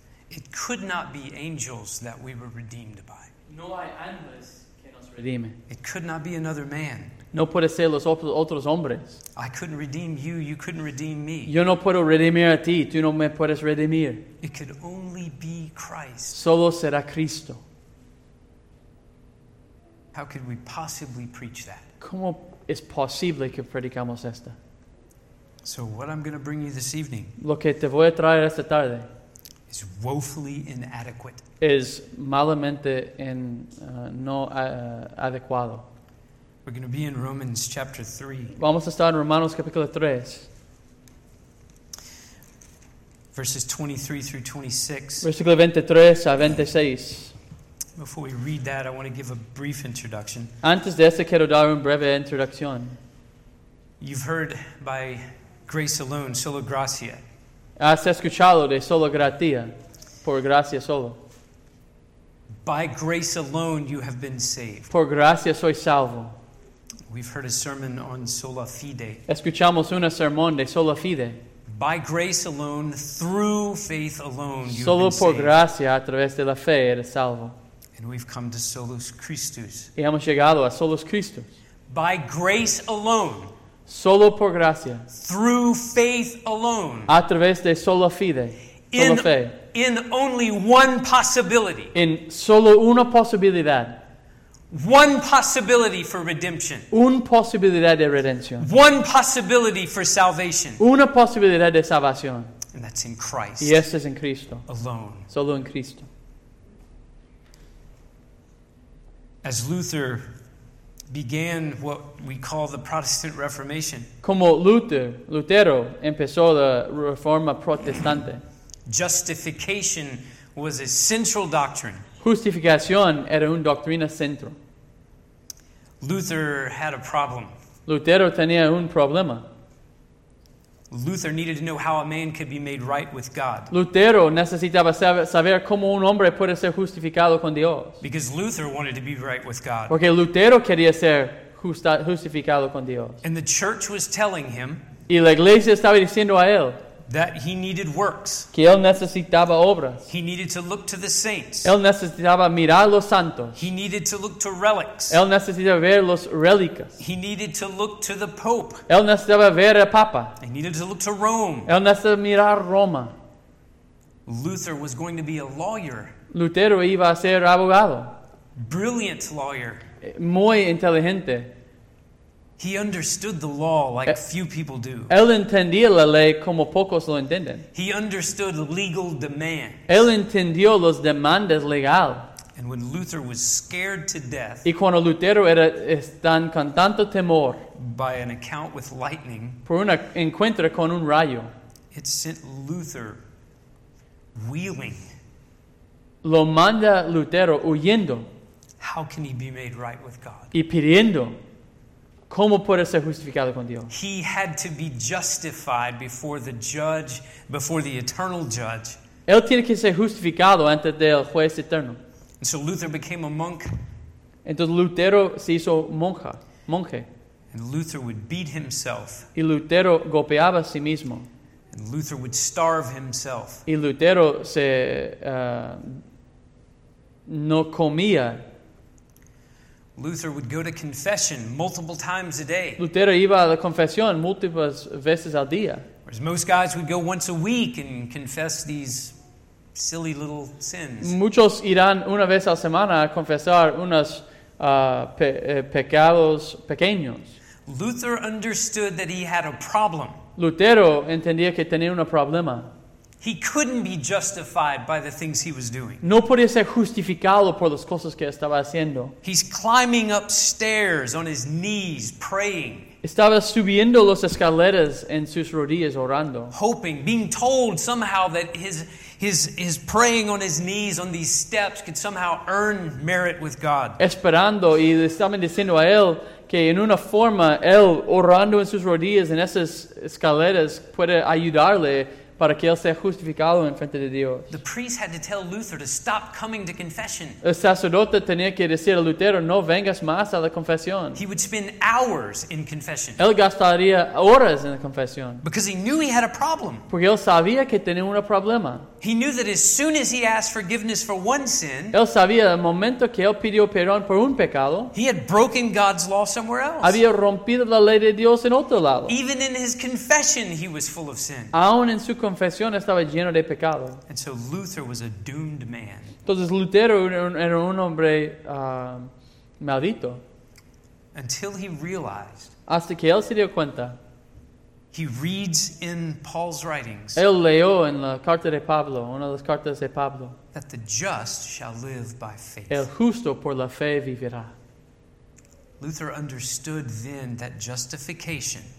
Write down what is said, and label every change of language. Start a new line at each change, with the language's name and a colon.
English: it could not be angels that we were redeemed by.
Spanish: No hay ángeles que nos redime.
English: It could not be another man.
Spanish: No puede ser los otros hombres.
English: I couldn't redeem you. You couldn't redeem me.
Spanish: Yo no puedo redimir a ti. Tú no me puedes redimir.
English: It could only be Christ.
Spanish: Solo será Cristo.
English: How could we possibly preach that?
Spanish: ¿Cómo es posible que predicamos esto?
English: So what I'm going to bring you this evening.
Spanish: Lo que te voy a traer esta tarde.
English: Is woefully inadequate.
Spanish: Es malamente en, no adecuado.
English: We're going to be in Romans chapter 3.
Spanish: Vamos a estar en Romanos capítulo 3.
English: Verses 23 through 26.
Spanish: Versículo 23 a 26.
English: Before we read that, I want to give a brief introduction.
Spanish: Antes de eso, quiero dar una breve introducción.
English: You've heard by grace alone,
Spanish: solo gracia. Has escuchado de solo gratia, por gracia solo.
English: By grace alone, you have been saved.
Spanish: Por gracia soy salvo.
English: We've heard a sermon on sola fide.
Spanish: Escuchamos una sermón de sola fide.
English: By grace alone, through faith alone, you've
Spanish: solo
English: been
Spanish: por
English: saved.
Spanish: Gracia, a través de la fe, eres salvo.
English: And we've come to solus Christus.
Spanish: Y hemos llegado a solus Christus.
English: By grace alone.
Spanish: Solo por gracia.
English: Through faith alone.
Spanish: A través de sola fide.
English: In,
Spanish: sola fe.
English: In only one possibility.
Spanish: En solo una posibilidad.
English: One possibility for redemption.
Spanish: Una posibilidad de redención.
English: One possibility for salvation.
Spanish: Una posibilidad de salvación.
English: And that's in Christ.
Spanish: Y eso es en Cristo.
English: Alone.
Spanish: Solo en Cristo.
English: As Luther began what we call the Protestant Reformation.
Spanish: Como Lutero empezó la Reforma Protestante.
English: Justification was a central doctrine.
Spanish: Justificación era una doctrina central.
English: Luther had a problem.
Spanish: Lutero tenía un problema.
English: Luther needed to know how a man could be made right with God.
Spanish: Lutero necesitaba saber cómo un hombre puede ser justificado con Dios.
English: Because Luther wanted to be right with God.
Spanish: Porque Lutero quería ser justificado con Dios.
English: And the church was telling him.
Spanish: Y la iglesia estaba diciendo a él.
English: That he needed works.
Spanish: Que él necesitaba obras.
English: He needed to look to the saints.
Spanish: Él necesitaba mirar los santos.
English: He needed to look to relics.
Spanish: Él necesitaba ver los relicas.
English: He needed to look to the Pope.
Spanish: Él necesitaba ver al Papa.
English: He needed to look to Rome.
Spanish: Él necesitaba mirar Roma.
English: Luther was going to be a lawyer.
Spanish: Lutero iba a ser abogado.
English: Brilliant lawyer.
Spanish: Muy inteligente.
English: He understood the law like few people do.
Spanish: Él entendía la ley como pocos lo entienden.
English: He understood legal demands.
Spanish: Él entendió los demandas legal.
English: And when Luther was scared to death,
Spanish: y cuando Lutero era tan con tanto temor,
English: by an account with lightning,
Spanish: por un encuentro con un rayo,
English: it sent Luther wheeling.
Spanish: Lo manda Lutero huyendo.
English: How can he be made right with God?
Spanish: Y pidiendo, ¿cómo puede ser justificado con Dios?
English: He had to be justified before the judge, before the eternal judge.
Spanish: Él tiene que ser justificado antes del juez eterno.
English: And so Luther became a monk.
Spanish: Entonces Lutero se hizo monja, monje.
English: And Luther would beat himself.
Spanish: Y Lutero golpeaba a sí mismo.
English: And Luther would starve himself.
Spanish: Y Lutero se no comía.
English: Luther would go to confession multiple times a day.
Spanish: Lutero iba a la confesión múltiples veces al día.
English: Whereas most guys would go once a week and confess these silly little sins.
Spanish: Muchos irán una vez a la semana a confesar unos pecados pequeños.
English: Luther understood that he had a problem.
Spanish: Lutero entendía que tenía un problema.
English: He couldn't be justified by the things he was doing.
Spanish: No podía ser justificado por las cosas que estaba haciendo.
English: He's climbing up stairs on his knees praying.
Spanish: Estaba subiendo las escaleras en sus rodillas orando.
English: Hoping, being told somehow that his praying on his knees on these steps could somehow earn merit with God.
Spanish: Esperando y le estaban diciendo a él que en una forma él orando en sus rodillas en esas escaleras puede ayudarle para que él sea justificado en frente de Dios.
English: The priest had to tell Luther to stop coming to confession.
Spanish: El sacerdote tenía que decir a Lutero, no vengas más a la confesión.
English: He would spend hours in confession.
Spanish: Él gastaría horas en la confesión.
English: Because he knew he had a problem.
Spanish: Porque él sabía que tenía un problema.
English: He knew that as soon as he asked forgiveness for one sin,
Spanish: él sabía el momento que él pidió perdón por un pecado,
English: he had broken God's law somewhere else.
Spanish: Había rompido la ley de Dios en otro lado.
English: Even in his confession, he was full of sin.
Spanish: Aún en su confesión estaba lleno de pecado.
English: And so Luther was a doomed man.
Spanish: Entonces Lutero era un hombre maldito.
English: Until he realized,
Spanish: hasta que él se dio cuenta.
English: He reads in Paul's writings.
Spanish: Él leyó en la carta de Pablo, una de las cartas de Pablo.
English: That the just shall live by faith.
Spanish: El justo por la fe vivirá.
English: Luther understood then that justification.